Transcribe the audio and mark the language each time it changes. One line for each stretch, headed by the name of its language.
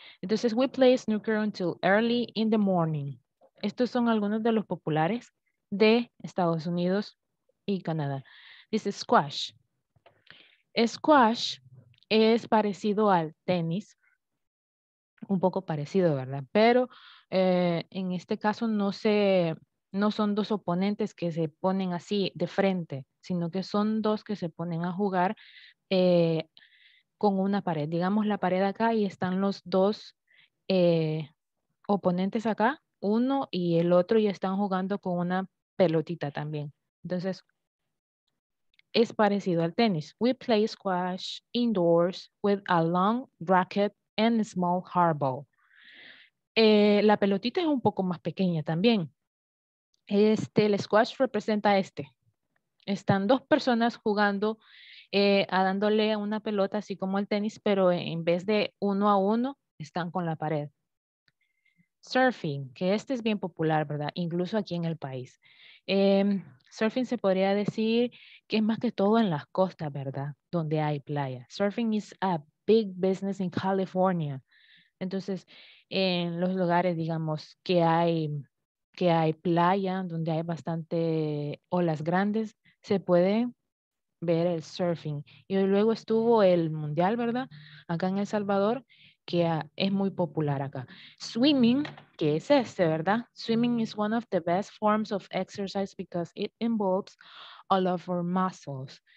Spanish: Entonces,
English: we play snooker until early in the morning.
Spanish: Estos son algunos de los populares de Estados Unidos y Canadá. Dice squash. Squash es parecido al tenis. Un poco parecido, ¿verdad? Pero en este caso no son dos oponentes que se ponen así de frente, sino que son dos que se ponen a jugar con una pared. Digamos la pared acá y están los dos oponentes acá, uno y el otro, y están jugando con una pelotita también. Entonces, es parecido al tenis.
English: We play squash indoors with a long racket and a small hardball.
Spanish: La pelotita es un poco más pequeña también. El squash representa Están dos personas jugando, dándole una pelota así como el tenis, pero en vez de uno a uno, están con la pared. Surfing, que este es bien popular, ¿verdad? Incluso aquí en el país. Surfing se podría decir que es más que todo en las costas, ¿verdad? Donde hay playa.
English: Surfing is a big business in California.
Spanish: Entonces, en los lugares, digamos, que hay playa, donde hay bastante olas grandes, se puede ver el surfing. Y luego estuvo el mundial, ¿verdad? Acá en El Salvador, que es muy popular acá. Swimming, que es este, ¿verdad?
English: Swimming is one of the best forms of exercise because it involves all of our muscles.